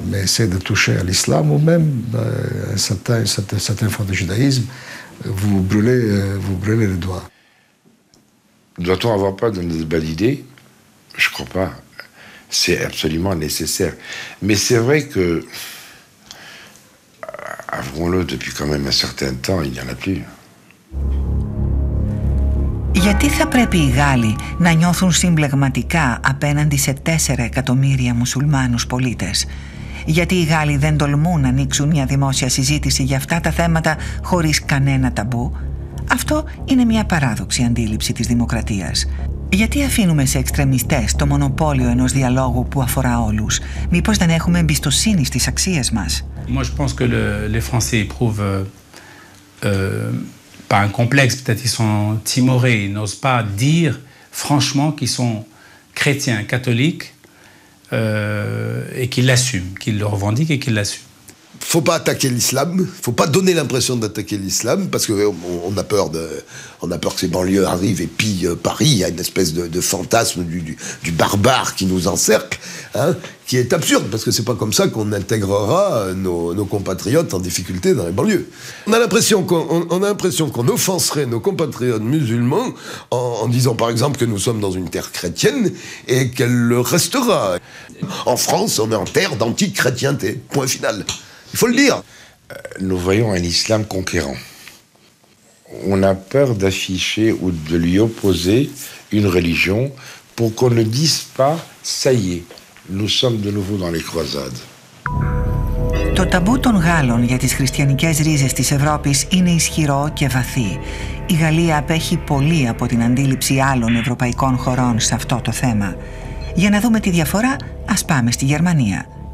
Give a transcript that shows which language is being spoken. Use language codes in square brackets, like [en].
[fr] Mais essayer de toucher à l'islam ou même certaines formes de judaïsme, vous brûlez les doigts. Doit-on avoir peur d'un débat d'idées? Je crois pas. C'est absolument nécessaire. Mais c'est vrai que, avouons-le, depuis quand même un certain temps, il n'y en a plus. [el] Γιατί θα πρέπει οι Γάλλοι να νιώθουν συμπλεγματικά απέναντι σε 4 εκατομμύρια μουσουλμάνους πολίτες? Γιατί οι Γάλλοι δεν τολμούν να ανοίξουν μια δημόσια συζήτηση για αυτά τα θέματα χωρίς κανένα ταμπού? Αυτό είναι μια παράδοξη αντίληψη της δημοκρατίας. Γιατί αφήνουμε σε εξτρεμιστές το μονοπόλιο ενός διαλόγου που αφορά όλους? Μήπως δεν έχουμε εμπιστοσύνη στις αξίες μας? [fr] Moi, je pense que les Français éprouvent pas un complexe, peut-être ils sont timorés, ils n'osent pas dire franchement qu'ils sont chrétiens, catholiques, et qu'ils l'assument, qu'ils le revendiquent et qu'ils l'assument. Faut pas attaquer l'islam, faut pas donner l'impression d'attaquer l'islam, parce qu'on a peur que ces banlieues arrivent et pillent Paris. Il y a une espèce de fantasme du barbare qui nous encercle, hein, qui est absurde, parce que c'est pas comme ça qu'on intégrera nos compatriotes en difficulté dans les banlieues. On a l'impression qu'on offenserait nos compatriotes musulmans en disant par exemple que nous sommes dans une terre chrétienne et qu'elle le restera. En France, on est en terre d'anti-chrétienté, point final. Il faut le dire. Nous voyons un islam conquérant. On a peur d'afficher ou de lui opposer une religion pour qu'on ne dise pas « ça y est, nous sommes de nouveau dans les croisades ». [el] Το ταμπού των Γάλλων για τις χριστιανικές ρίζες της Ευρώπης είναι ισχυρό και βαθύ. Η Γαλλία απέχει πολύ από την αντίληψη άλλων ευρωπαϊκών χωρών σε αυτό το θέμα. Για να δούμε τη διαφορά, ας πάμε στη Γερμανία.